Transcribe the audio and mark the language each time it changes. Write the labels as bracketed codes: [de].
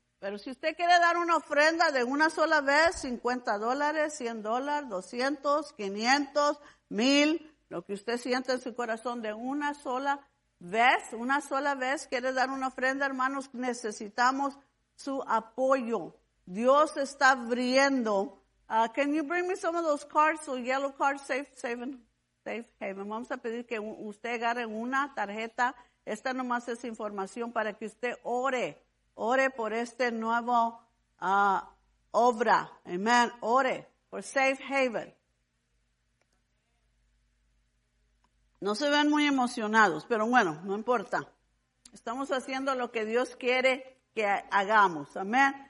[es] Pero si usted quiere dar una ofrenda de una sola vez, $50, $100, 200, 500, 1000, lo que usted siente en su corazón de una sola vez, quiere dar una ofrenda, hermanos, necesitamos su apoyo. Dios está abriendo. [en] Can you bring me some of those cards, those yellow cards, safe haven? [es] Vamos a pedir que usted agarre una tarjeta. Esta nomás es información para que usted ore por este nuevo obra. Amen. Ore por Safe Haven. No se ven muy emocionados, pero bueno, no importa. Estamos haciendo lo que Dios quiere que hagamos. Amén.